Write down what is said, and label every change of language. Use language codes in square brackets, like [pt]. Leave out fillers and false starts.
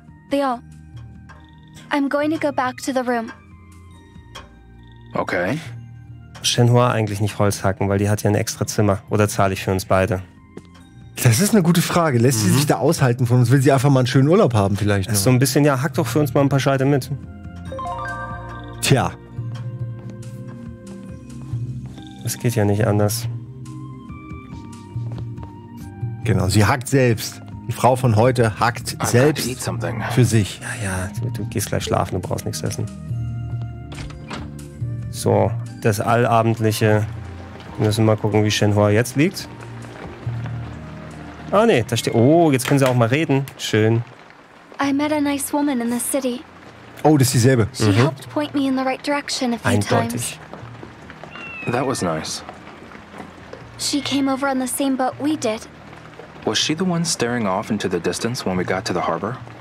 [en] Leo, I'm going to go back to the room. Okay. [de] Shenhua eigentlich nicht Holz hacken, weil die hat ja ein extra Zimmer. Oder zahle ich für uns beide? Das ist eine gute Frage. Lässt sie sich da aushalten von uns? Will sie einfach mal einen schönen Urlaub haben vielleicht? So ein bisschen, ja, hack doch für uns mal ein paar Scheite mit. Tja. Das geht ja nicht anders. Genau, sie hackt selbst. Die Frau von heute hackt selbst für sich. Ja, ja, du gehst gleich schlafen, du brauchst nichts essen. So, das Allabendliche. Wir müssen mal gucken, wie Shenhua jetzt liegt. Ah, nee, da steht. Oh, jetzt können sie auch mal reden. Schön. [en] I met a nice woman in the city. [de] Oh, das ist dieselbe. [en] She helped point me in the right direction a few times. That was nice. She came over on the same boat we did. Was she the one staring off into the distance when we got to the harbor?